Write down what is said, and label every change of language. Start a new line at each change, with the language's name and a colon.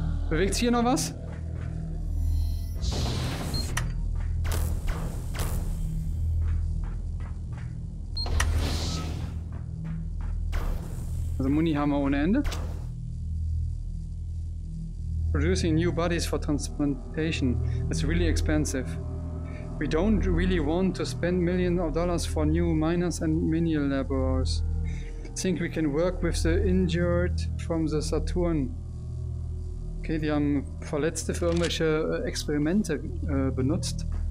German: Bewegt sich hier noch was? Also Muni haben wir ohne Ende.
English: Producing new bodies for transplantation is really expensive. We don't really want to spend millions of dollars for new miners and menial laborers. Think we can work with the injured from the Saturn.
German: Okay, die haben Verletzte für irgendwelche Experimente benutzt.